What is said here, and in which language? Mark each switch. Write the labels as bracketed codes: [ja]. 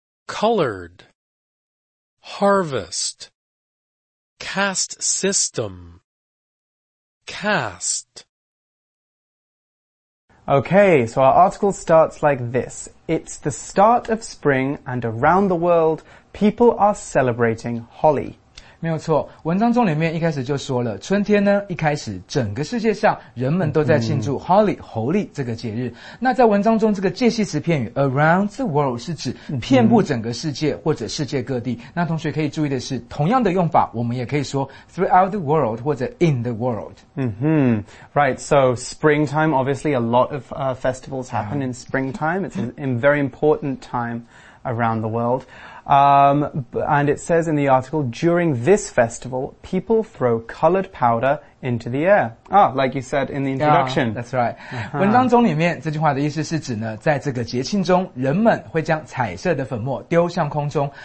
[en] Colored Harvest Caste System Cast Okay, so our article starts like this. It's the start of spring and around the world, people are celebrating holly. [zh] 没有错，文章中里面一开始就说了，春天呢，一开始整个世界上人们都在庆祝 holly, 猴历这个节日。那在文章中这个介系词片语 [en] around the world [zh] 是指遍布整个世界或者世界各地。那同学可以注意的是，同样的用法我们也可以说 [en] throughout the world [zh] 或者 [en] in the world. Mm-hmm. Right, so springtime, obviously a lot of festivals happen in springtime. It's a very important time around the world. And it says in the article, during this festival, people throw colored powder into the air. Ah, like you said in the introduction. Yeah, that's right. Uh-huh. [zh] 文章中里面这句话的意思是指呢，在这个节庆中，人们会将彩色的粉末丢向空中。